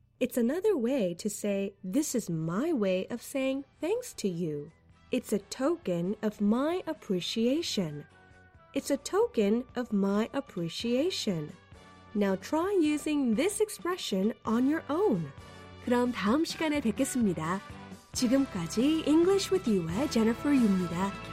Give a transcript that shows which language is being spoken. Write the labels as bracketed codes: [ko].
[en] It's another way to say, this is my way of saying thanks to you. It's a token of my appreciation. It's a token of my appreciation. Now try using this expression on your own. [ko] 그럼 다음 시간에 뵙겠습니다. 지금까지 English with You의 Jennifer Yu입니다.